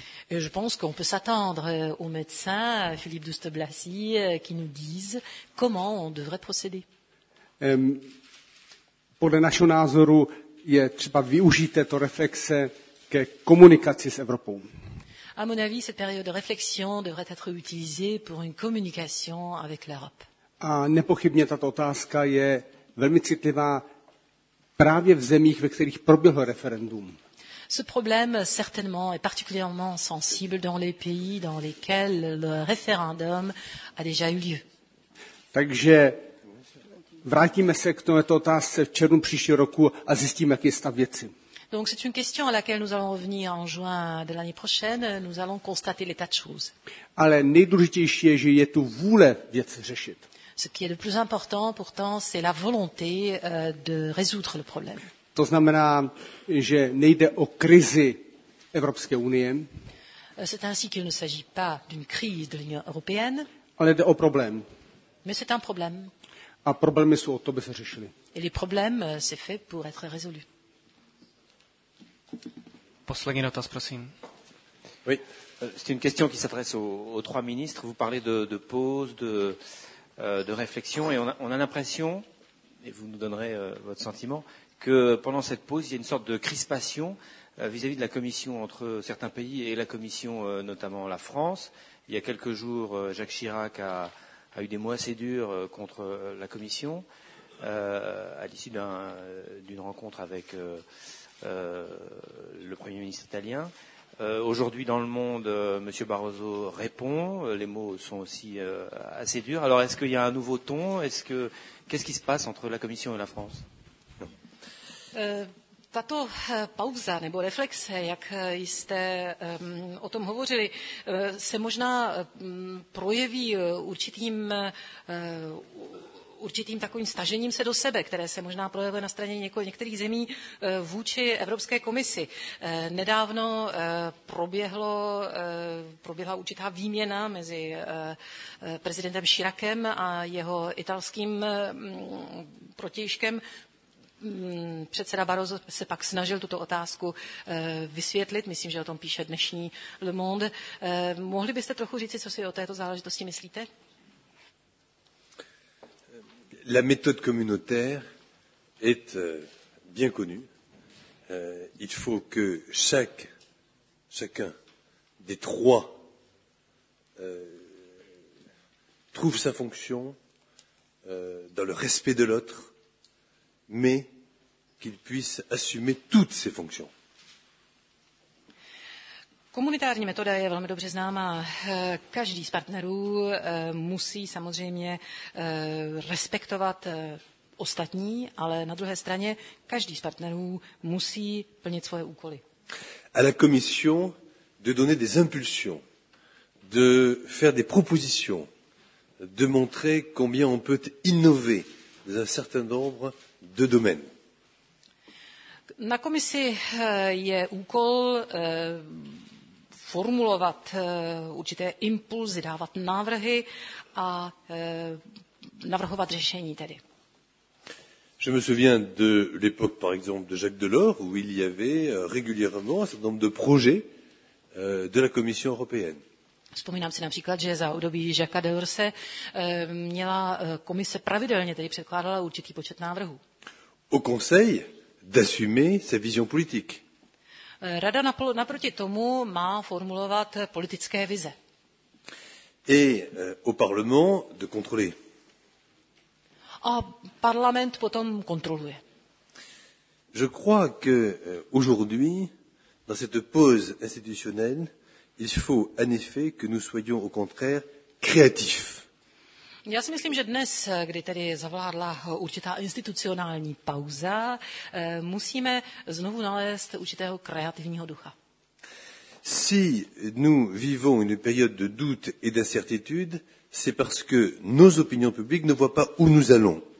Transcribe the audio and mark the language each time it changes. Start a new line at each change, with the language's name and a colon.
French: Et je pense qu'on peut s'attendre au médecin Philippe Dostopazí qui nous dise comment on devrait procéder.
Czech: Podle našeho názoru je třeba využít této reflexe ke komunikaci s Evropou.
French: À mon avis, cette période de réflexion devrait être utilisée pour une communication avec l'Europe.
Czech: A nepochybně tato otázka je velmi citlivá právě v zemích, ve kterých proběhlo referendum.
French: Ce problème certainement est particulièrement sensible dans les pays dans lesquels le référendum a déjà eu lieu.
Czech: Takže vrátíme se k této otázce v červnu příštího roku a zjistíme, jaký je stav věci.
French: Donc c'est une question à laquelle nous allons revenir en juin de l'année prochaine, nous allons constater l'état de choses.
Czech: Ale nejdůležitější je, že je tu vůle věc řešit.
French: Ce qui est le plus important pourtant, c'est la volonté de résoudre le problème.
Czech: To znamená, že nejde o krizi Evropské unie.
French: C'est ainsi qu'il ne s'agit pas d'une crise de l'Union européenne.
Czech: Ale jde o problém.
French: Mais c'est un problème.
Czech: A problémy jsou o to, by se řešily.
French: Et les problèmes c'est fait pour être résolu.
Czech: Poslední dotaz, prosím.
French: Oui, c'est une question qui s'adresse aux trois ministres. Vous parlez de pause, de réflexion, et on a l'impression, et vous nous donnerez votre sentiment, que pendant cette pause, il y a une sorte de crispation vis-à-vis de la Commission entre certains pays et la Commission, notamment la France. Il y a quelques jours, Jacques Chirac a eu des mots assez durs contre la Commission à l'issue d'une rencontre avec le Premier ministre italien. Aujourd'hui, dans le monde, M. Barroso répond. Les mots sont aussi assez durs. Alors, est-ce qu'il y a un nouveau ton? Qu'est-ce qui se passe entre la Commission et la France?
Czech: Tato pauza nebo reflexe, jak jste o tom hovořili, se možná projeví určitým takovým stažením se do sebe, které se možná projevuje na straně některých zemí vůči Evropské komisi. Nedávno proběhla určitá výměna mezi prezidentem Chiracem a jeho italským protějškem. Předseda Barroso se pak snažil tuto otázku vysvětlit, myslím, že o tom píše dnešní Le Monde. Mohli byste trochu říci, co si o této záležitosti myslíte?
French: La méthode communautaire est bien connue. Il faut que chacun des trois trouve sa fonction dans le respect de l'autre, mais qu'il puisse assumer toutes ses fonctions.
Czech: Komunitární metoda je velmi dobře známá. Každý z partnerů musí samozřejmě respektovat ostatní, ale na druhé straně každý z partnerů musí plnit svoje úkoly.
French: À la commission de donner des impulsions, de faire des propositions, de montrer combien on peut innover dans un certain nombre de domaines.
Czech: Na komisi je úkol formulovat určité impulzy, dávat návrhy a navrhovat řešení tedy.
French: Je me souviens de l'époque, par exemple, de Jacques Delors, où il y avait régulièrement un certain nombre de projets de la Commission européenne.
Czech: Vzpomínám si například, že za období Jacques Delors měla komise pravidelně, tedy předkládala určitý počet návrhů.
French: Au conseil d'assumer sa vision politique.
Czech: Rada naproti tomu má formulovat politické vize.
French: Et au Parlement de contrôler.
Czech: A parlament potom kontroluje.
French: Je crois que aujourd'hui, dans cette pause institutionnelle, il faut en effet que nous soyons au contraire créatifs.
Czech: Já si myslím, že dnes, kdy tedy zavládla určitá institucionální pauza, musíme znovu nalézt určitého kreativního ducha.
French: Si nous vivons une période de doute et d'incertitude, c'est parce que nos opinions publiques ne voient pas où nous allons.